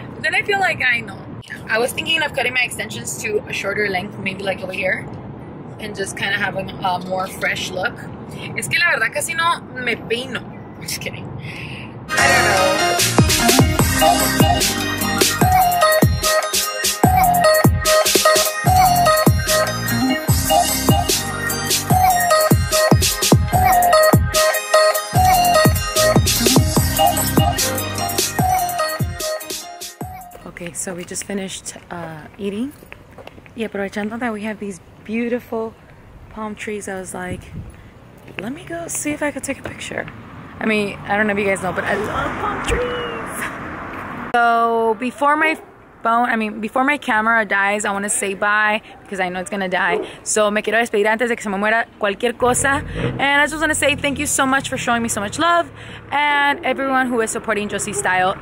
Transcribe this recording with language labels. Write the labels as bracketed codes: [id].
[en] But then I feel like I know. I was thinking of cutting my extensions to a shorter length, maybe like over here. And just kind of having a more fresh look. [es] Es que la verdad casi no me peino. [en] Just kidding. Okay, so we just finished eating. Yeah, [es] aprovechando [en] that we have these beautiful palm trees, I was like, let me go see if I could take a picture. I mean, I don't know if you guys know, but I love palm trees. So before my camera dies, I want to say bye because I know it's gonna die. [es] So me quiero despedir antes de que se me muera cualquier cosa. [en] And I just want to say thank you so much for showing me so much love and everyone who is supporting Josie Style.